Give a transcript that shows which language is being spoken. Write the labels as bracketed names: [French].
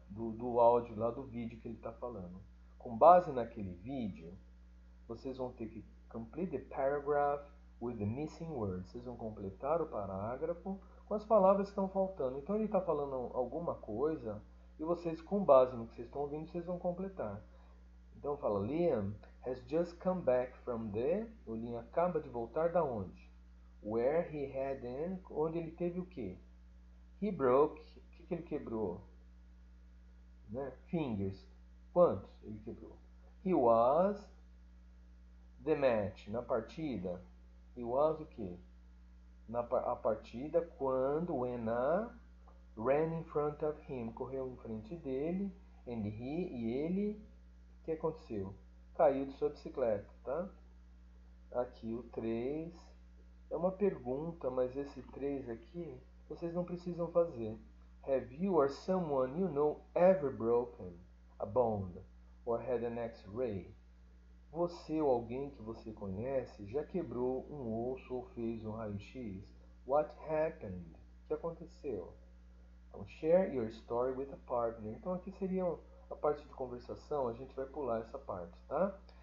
[Portuguese] Do áudio lá do vídeo que ele está falando. Com base naquele vídeo, vocês vão ter que [English] complete the paragraph with the missing words. [Portuguese] Vocês vão completar o parágrafo com as palavras que estão faltando. Então ele está falando alguma coisa e vocês, com base no que vocês estão ouvindo, vocês vão completar. Então fala, [English] Liam has just come back from there. [Portuguese] O Liam acaba de voltar da onde? [English] Where he had an, [Portuguese] onde ele teve o quê? [English] He broke, [Portuguese] que ele quebrou? Né? Fingers. Quantos ele quebrou? [English] He was the match, [Portuguese] na partida. [English] He was [Portuguese] o quê? A partida quando [English] when I ran in front of him, [Portuguese] correu em frente dele, and ele, o que aconteceu? Caiu de sua bicicleta, tá? Aqui o 3. É uma pergunta, mas esse 3 aqui vocês não precisam fazer. [English] Have you or someone you know ever broken a bone or had an X-ray? [Portuguese] Você ou alguém que você conhece já quebrou um osso ou fez um raio-x? [English] What happened? [Portuguese] O que aconteceu? Então, [English] share your story with a partner. [Portuguese] Então aqui seria a parte de conversação, a gente vai pular essa parte, tá?